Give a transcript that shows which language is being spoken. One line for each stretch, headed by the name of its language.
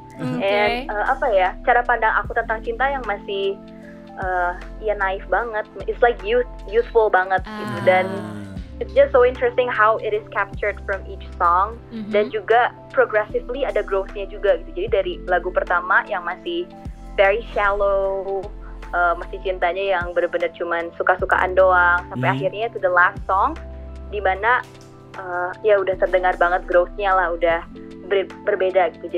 Indonesian: And cara pandang aku tentang cinta yang masih naif banget.
English: It's like youthful
Indonesian: banget gitu.
English: Dan it's just so interesting how it is captured from each song.
Indonesian: Dan juga progressively ada growth-nya juga gitu. Jadi dari lagu pertama yang masih
English: very shallow,
Indonesian: masih cintanya yang benar-benar cuman suka-sukaan doang, sampai akhirnya
English: to the last song
Indonesian: di mana udah terdengar banget growth-nya lah, udah berbeda gitu.